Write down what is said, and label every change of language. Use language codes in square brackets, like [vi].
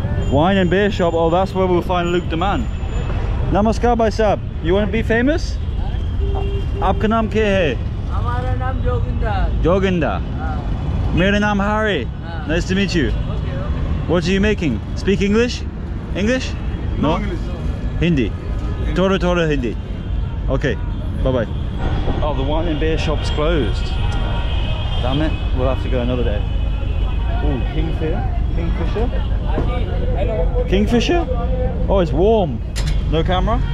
[en] Wine and beer shop, oh that's where we'll find Luke the man. [hi] Namaskar bhai sahab, [en] you want to be famous? [hi] आपका नाम क्या है? Hamara naam Joginda. जोगिंदा? मेरा नाम हरी. [en] Nice to meet you. Okay. What are you making? Speak English? English? No, English. Hindi? Toto Hindi. Okay, bye bye. Oh, the wine and beer shop's closed. Damn it, we'll have to go another day. Ooh, Kingfisher? Kingfisher? Oh, it's warm. No camera?